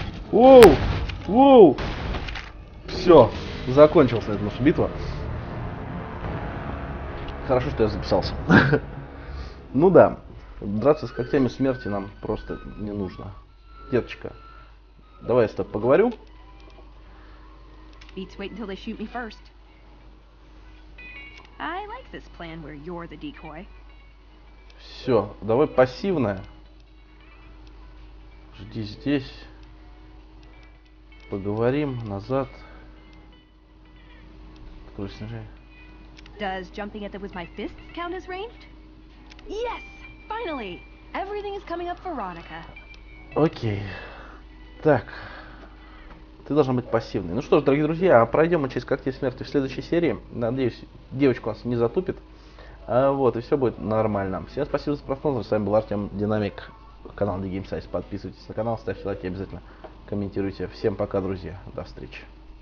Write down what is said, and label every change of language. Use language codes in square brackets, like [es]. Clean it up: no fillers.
[ru] Воу! Воу! Все. Закончилась эта наша битва. Хорошо, что я записался. Ну да. Драться с когтями смерти нам просто не нужно. Деточка, давай я с тобой поговорю. [en] Beats wait until they shoot me first. I like this plan where you're the decoy. [ru] Все, давай пассивная. Жди здесь. Поговорим назад. Открой снижение. [en] Does jumping at them with my fists count as ranged? Yes! Finally! Everything is coming up for Ronica. [ru] Окей. Так. Ты должна быть пассивной. Ну что ж, дорогие друзья, пройдем мы через когти смерти в следующей серии. Надеюсь, девочка нас не затупит. А вот, и все будет нормально. Всем спасибо за просмотр. С вами был Артем Динамик. Канал The Game Size. Подписывайтесь на канал, ставьте лайки, обязательно комментируйте. Всем пока, друзья. До встречи.